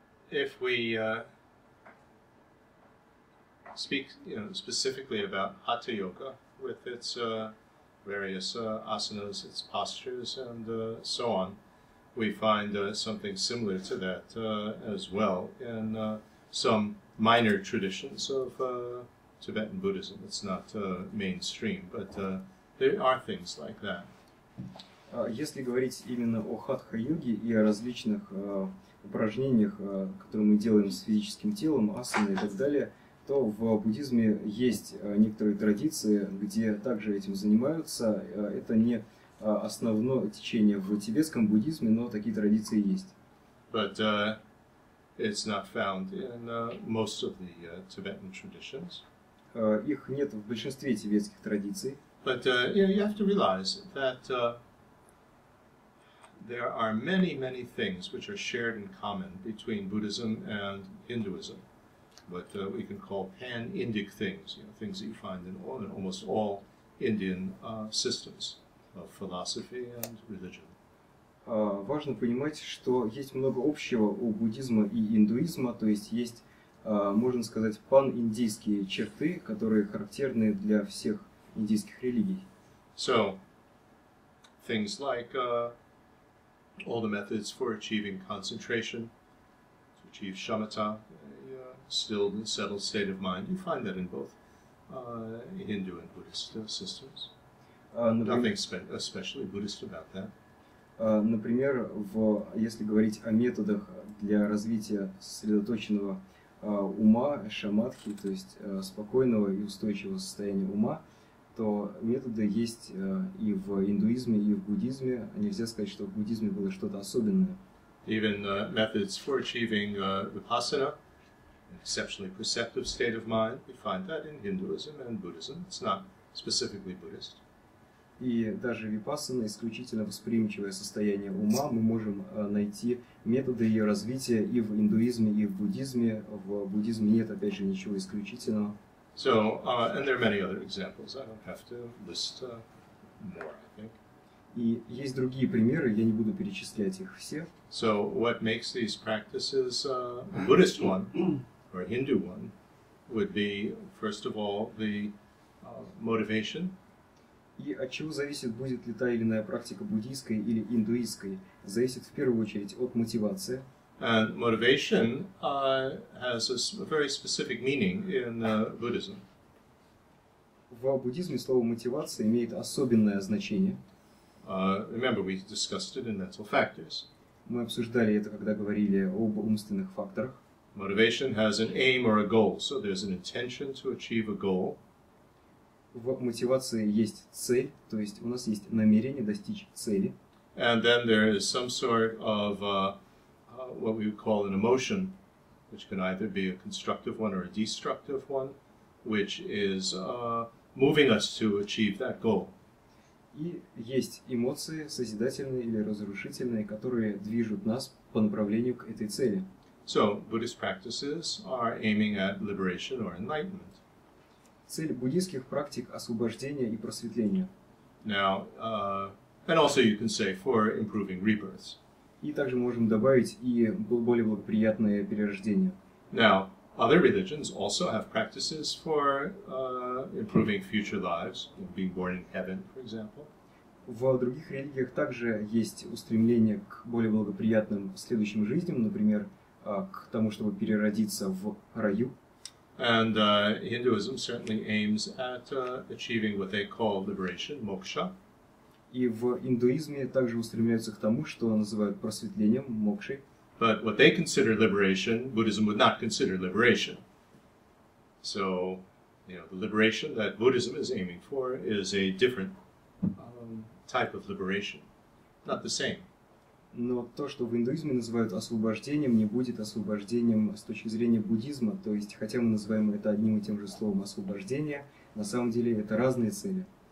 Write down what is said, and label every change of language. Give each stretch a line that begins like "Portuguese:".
English: If we speak, you know, specifically about hatha yoga with its various asanas, its postures, and so on, we find something similar to that as well in some minor traditions of Tibetan Buddhism. It's not mainstream, but there are things like that.
Russian: Если говорить именно о хатха-йоге и о различных упражнениях, которые мы делаем с физическим телом, асаны и так далее, то в буддизме есть некоторые традиции, где также этим занимаются. Это не основное течение в тибетском буддизме, но такие традиции есть.
English: But it's not found in most of the Tibetan traditions.
Russian: Их нет в большинстве тибетских традиций.
English: But you have to realize that there are many, many things which are shared in common between Buddhism and Hinduism. But we can call pan-Indic things, you know, things that you find in all, in almost all Indian systems of philosophy and religion.
Russian: Важно понимать, что есть много общего у буддизма и индуизма, то есть есть, можно сказать, пан-индийские черты, которые характерны для всех индийских религий.
English: So, things like all the methods for achieving concentration, to achieve shamatha, still the settled state of mind. You find that in both Hindu and Buddhist systems. Nothing especially Buddhist about that.
Russian: Например, если говорить о методах для развития сосредоточенного ума, шамадхи, то есть спокойного и устойчивого состояния ума, то методы есть и в индуизме, и в буддизме. Нельзя сказать, что в буддизме было что-то особенное.
English: Even methods for achieving vipassana, exceptionally perceptive state of mind, we find that in Hinduism and Buddhism. It's not specifically Buddhist.
Russian: И даже випассана, исключительно восприимчивое состояние ума, мы можем найти методы ее развития и в индуизме, и в буддизме. В буддизме нет, опять же, ничего исключительного.
English: So, and there are many other examples. I don't have to list more, I think.
Russian: И есть другие примеры, я не буду перечислять их все.
English: So, what makes these practices a Buddhist one? Or a Hindu one would be, first of all, the motivation.
Russian: И от чего зависит, будет ли та или иная практика буддийской или индуистской, зависит в первую очередь от мотивации.
English: And motivation has a very specific meaning in Buddhism.
Russian: В буддизме слово мотивация имеет особенное значение.
English: Remember, we discussed it in mental factors.
Russian: Мы обсуждали это, когда говорили об умственных факторах.
English: Motivation has an aim or a goal, so there's an intention to achieve a goal.
Russian: В мотивации есть цель, то есть у нас есть намерение достичь цели.
English: And then there is some sort of what we would call an emotion, which can either be a constructive one or a destructive one, which is moving us to achieve that goal.
Russian: И есть эмоции, созидательные или разрушительные, которые движут нас по направлению к этой цели.
English: So, Buddhist practices are aiming at liberation or enlightenment.
Russian: Цель буддийских практик – освобождение и просветление.
English: Now, and also you can say for improving rebirths.
Russian: И также можем добавить и более благоприятное перерождение.
English: Now, Other religions also have practices for improving future lives, being born in heaven, for example.
Russian: В других религиях также есть устремление к более благоприятным следующим жизням, например, к тому, чтобы переродиться в раю.
English: And Hinduism certainly aims at achieving what they call liberation, moksha.
Russian: И в индуизме также устремляются к тому, что называют просветлением, мокшей.
English: But what they consider liberation, Buddhism would not consider liberation. So, you know, the liberation that Buddhism is aiming for is a different type of liberation, not the same.
Russian: Но то, что в индуизме называют освобождением, не будет освобождением с точки зрения буддизма. То есть, хотя мы называем это одним и тем же словом освобождение, на самом деле это разные цели.